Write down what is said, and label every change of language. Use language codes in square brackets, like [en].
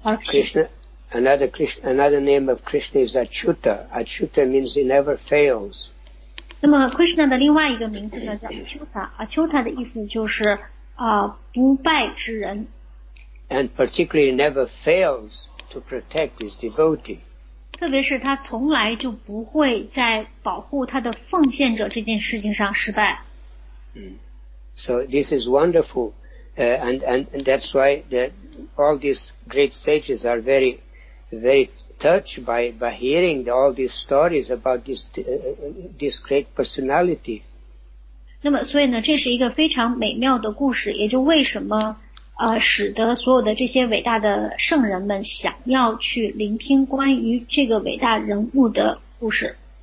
[en] Krishna. Another name of Krishna is Achyuta. Achyuta means he never fails. [zh] 那么 Krishna 的另外一个名字呢叫 Achyuta. Achyuta 的意思就是不败之人。 [en] And particularly never fails to protect his devotee. [zh] 特别是他从来就不会在保护他的奉献者这件事情上失败。 [en] So this is wonderful, and that's why that all these great sages are very, very touched by hearing all these stories about this great personality. [zh] 那么所以呢，这是一个非常美妙的故事，也就为什么使得所有的这些伟大的圣人们想要去聆听关于这个伟大人物的故事。